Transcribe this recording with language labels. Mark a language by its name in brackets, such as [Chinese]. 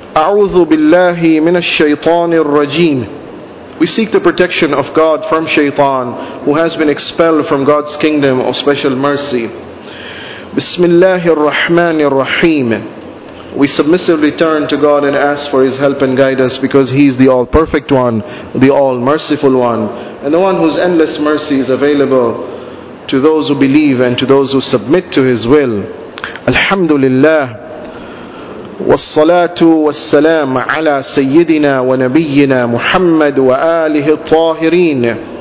[Arabic] أعوذ بالله من الشيطان الرجيم. [English] We seek the protection of God from Shaytan, who has been expelled from God's kingdom of special mercy. [Arabic] بسم الله الرحمن الرحيم. [English] We submissively turn to God and ask for His help and guidance, because He is the All Perfect One, the All Merciful One, and the One whose endless mercy is available to those who believe and to those who submit to His will. [Arabic] Alhamdulillah. والصلاة والسلام على سيدنا ونبينا محمد وآله الطاهرين.